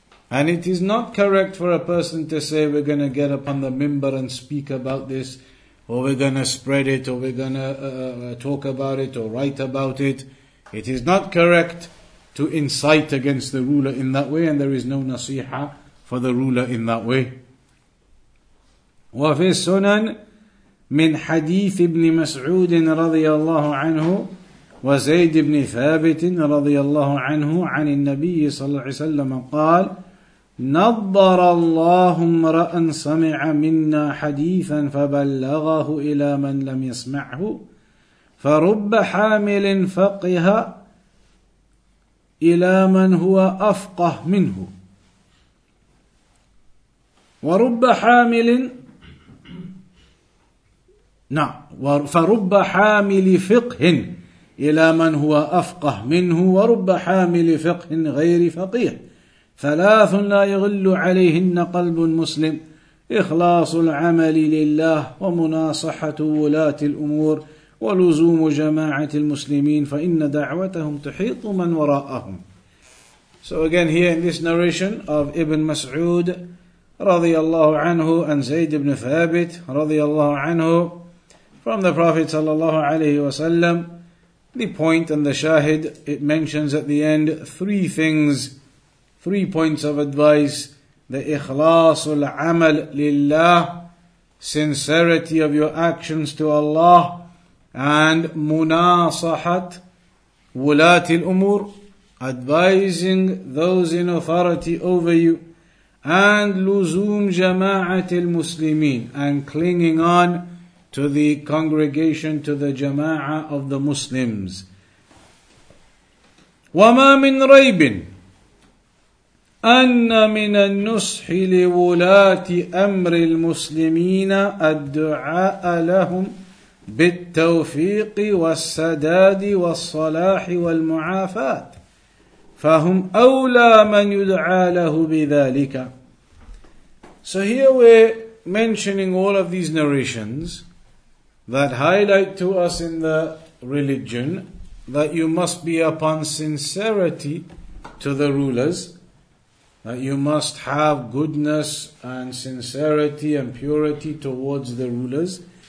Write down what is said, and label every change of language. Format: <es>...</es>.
<en>And it is not correct for a person to say we're going to get up on the minbar and speak about this, or we're going to spread it, or we're going to talk about it, or write about it. It is not correct to incite against the ruler in that way, and there is no nasiha for the ruler in that way.</en> <ar>وفي السنن من حديث ابن مسعود رضي الله عنه وزيد بن ثابت رضي الله عنه عن النبي صلى الله عليه وسلم قال نظر الله امرأ سمع منا حديثا فبلغه إلى من لم يسمعه فرب حامل فقه إلى من هو أفقه منه ورب حامل فرب حامل فقه إلى من هو أفقه منه ورب حامل فقه غير فقيه ثلاث لا يغل عليهن قلب مسلم إخلاص العمل لله ومناصحة ولاة الأمور ولزوم جماعة المسلمين فإن دعوتهم تحيط من وراءهم.</ar> <en>So again here in this narration of Ibn Mas'ud رضي الله عنه and Zayd ibn Thabit رضي الله عنه from the Prophet صلى الله عليه وسلم, the point and the shahid, it mentions at the end three things, three points of advice: the</en> <ar>ikhlas al-amal lillah,</ar> <en>sincerity of your actions to Allah, and munasahat</en> <ar>wulat al-umur,</ar> <en>advising those in authority over you, and</en> <ar>luzum jama'at al-muslimin,</ar> <en>and clinging on to the congregation, to the jama'ah of the Muslims.</en> <ar>وَمَا مِنْ رَيْبٍ أن من النصح لولاة أمر المسلمين الدعاء لهم بالتوفيق والسداد والصلاح والمعافاة فهم أولى من يدعى له بذلك.</ar> <en>So here we're mentioning all of these narrations that highlight to us in the religion that you must be upon sincerity to the rulers, that you must have goodness and sincerity and purity towards the rulers.</en>